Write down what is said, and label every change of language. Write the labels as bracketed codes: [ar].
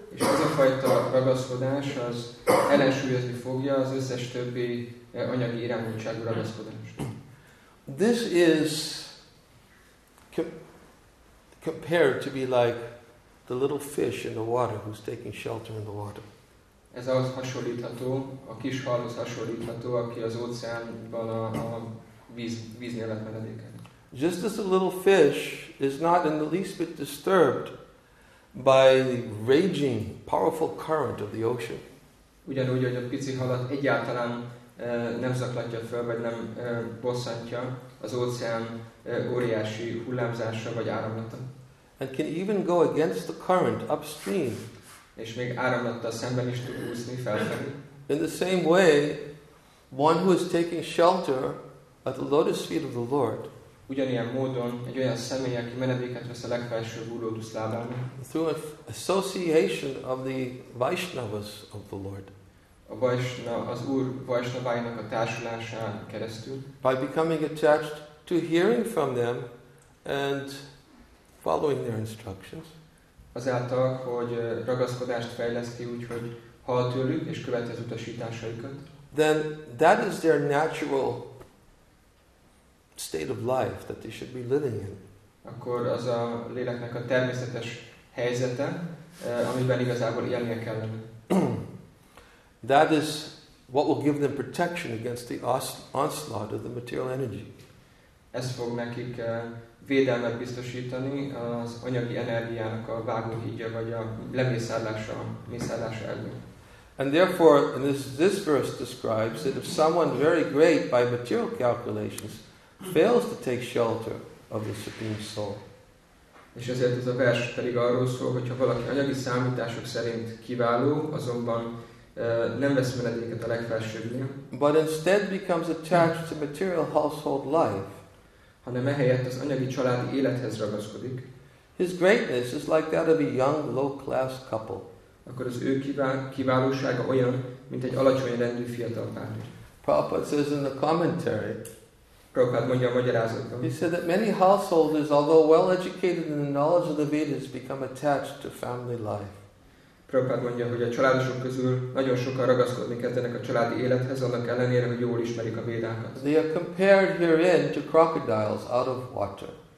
[hu] És ez a fajta ragaszkodás az ellensúlyozni fogja az összes többi anyagi irányultságú ragaszkodást. [en] This is compared to be like the little fish in the water who's taking shelter in the water. [hu] Ez ahhoz hasonlítható, a kis halhoz hasonlítható, aki az óceánban a víznél lett menedéken. [en] Just as a little fish is not in the least bit disturbed by the raging, powerful current of the ocean. [hu] Ugyanúgy, hogy a pici halat egyáltalán nem zaklatja föl, vagy nem bosszantja az óceán óriási hullámzása vagy áramlata. [en] And can even go against the current upstream. [hu] És még áramlattal szemben is tud úszni felfelé. [en] In the same way, one who is taking shelter at the lotus feet of the Lord. [hu] Ugyanilyen módon egy olyan személy, aki menedéket vesz a legfelsőbb Úr Lótusz lábában. [en] Through an association of the Vaishnavas of the Lord. [hu] A Vaishna, az Úr Vaishnaváinak a társulásán keresztül. [en] By becoming attached to hearing from them and following their instructions. [hu] Azáltal, hogy ragaszkodást fejleszti úgy, hogy hall tőlük és követi az utasításaikat. [en] Then that is their natural state of life that they should be living in. [hu] Akkor az a léleknek a természetes helyzete, amiben igazából élnie kellene. [en] That is what will give them protection against the onslaught of the material energy. [hu] Ez fog nekik védelmet biztosítani az anyagi energiának a vágóhídja vagy a lemészárlása ellen. [en] And therefore, and this verse describes that if someone very great by material calculations fails to take shelter of the Supreme Soul. [hu] És ezért ez a vers pedig arról szól, hogyha valaki anyagi számítások szerint kiváló, azonban nem vesz menedéket a legfelsőbbnél. [en] But instead becomes attached to material household life. [hu] Hanem ehelyett az anyagi családi élethez ragaszkodik. [en] His greatness is like that of a young low-class couple. [hu] Akkor az ő kiválósága olyan, mint egy alacsony rendű fiatal pár. [en] Prabhupada says in the commentary, [hu] Prabhupada mondja a magyarázatban. [en] He said that many householders, although well educated in the knowledge of the Vedas, become attached to family life. [hu] Prabhupada mondja, hogy a családosok közül nagyon sokan ragaszkodni kezdenek a családi élethez, annak ellenére, hogy jól ismerik a Védákat. [en] They are compared herein to crocodiles out of water.